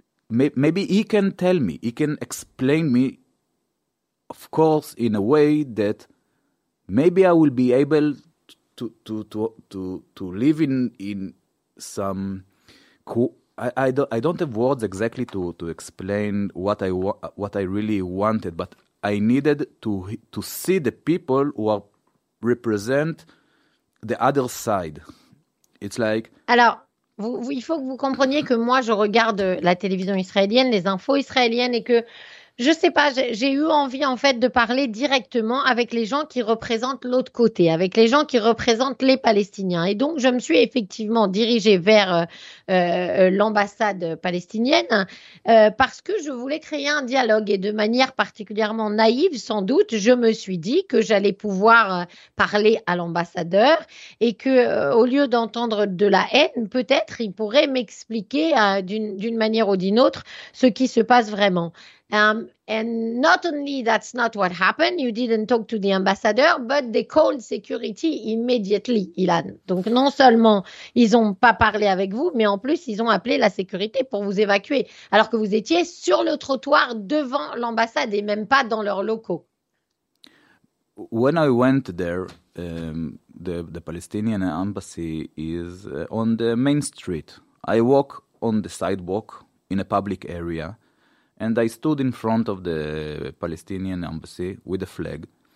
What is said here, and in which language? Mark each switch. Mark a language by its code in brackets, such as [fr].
[en] maybe he can tell me, he can explain me, of course, in a way that maybe I will be able to live in some I don't have words exactly to explain what I really wanted, but I needed to see the people who are represent the other side. It's like, [fr] alors vous, il faut que vous compreniez que moi je regarde la télévision israélienne, les infos israéliennes, et que je sais pas, j'ai eu envie en fait de parler directement avec les gens qui représentent l'autre côté, avec les gens qui représentent les Palestiniens. Et donc, je me suis effectivement dirigée vers l'ambassade palestinienne parce que je voulais créer un dialogue. Et de manière particulièrement naïve, sans doute, je me suis dit que j'allais pouvoir parler à l'ambassadeur et que au lieu d'entendre de la haine, peut-être il pourrait m'expliquer d'une manière ou d'une autre ce qui se passe vraiment. [en] And not only that's not what happened, you didn't talk to the ambassador, but they called security immediately, Ilan. [fr] Donc, non seulement ils n'ont pas parlé avec vous, mais en plus, ils ont appelé la sécurité pour vous évacuer, alors que vous étiez sur le trottoir devant l'ambassade et même pas dans leurs locaux. [en] When I went there, the Palestinian embassy is on the main street. I walk on the sidewalk in a public area, and I stood in front of the Palestinian embassy with a flag.